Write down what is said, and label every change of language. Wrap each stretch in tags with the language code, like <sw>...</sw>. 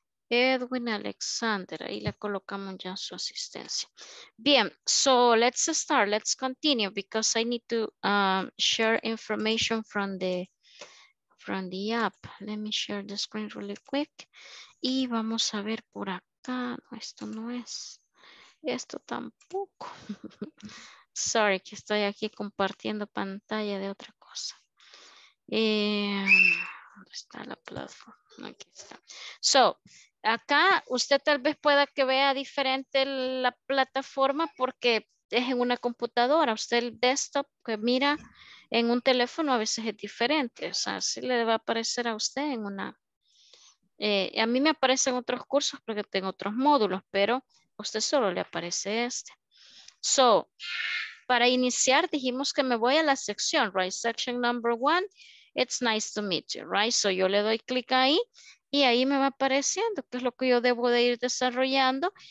<es>Edwin Alexander, ahí le colocamos ya su asistencia. Bien,</es> <en>so let's start, let's continue because I need to share information from the app. Let me share the screen really quick.</en> <es>Y vamos a ver por acá, no, esto no es, esto tampoco.</es> <en>Sorry</en> <es>que estoy aquí compartiendo pantalla de otra cosa. ¿Dónde está la plataforma? Aquí está.</es> <en>So,</en> <es>acá usted tal vez pueda que vea diferente la plataforma porque es en una computadora. Usted el desktop que mira en un teléfono a veces es diferente. O sea, sí le va a aparecer a usted en una... a mí me aparecen otros cursos porque tengo otros módulos, pero a usted solo le aparece este.</es> <en>So,</en> <es>para iniciar dijimos que me voy a la sección,</es> <en>right? Section number one, it's nice to meet you, right? So</en> <es>yo le doy clic ahí. Y ahí me va apareciendo qué es lo que yo debo de ir desarrollando.</es>